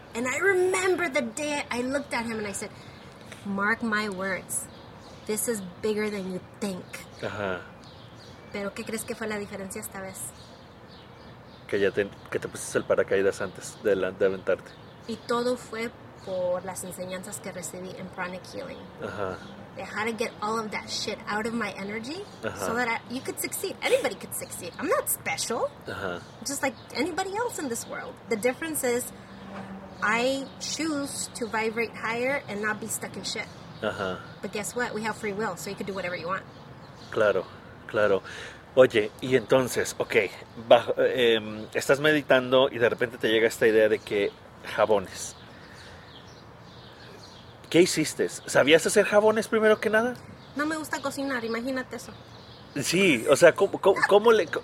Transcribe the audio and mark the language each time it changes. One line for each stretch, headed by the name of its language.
English: And I remember the day I looked at him and I said, mark my words, this is bigger than you think. Ajá.
Spanish: ¿Pero qué crees que fue la diferencia esta vez? Que ya que te pusiste el paracaídas antes de aventarte. Y todo fue por las enseñanzas que recibí en Pranic Healing. Ajá.
English: De how to get all of that shit out of my energy. Ajá. So that you could succeed. Anybody could succeed. I'm not special. Ajá. Just like anybody else in this world. The difference is, I choose to vibrate higher and not be stuck in shit. Ajá. But guess what? We have free will, so you can do whatever you want.
Spanish: Claro, claro. Oye, y entonces, okay, estás meditando y de repente te llega esta idea de que jabones. ¿Qué hiciste? ¿Sabías hacer jabones primero que nada? No me gusta cocinar, imagínate eso. Sí, o sea, ¿cómo le?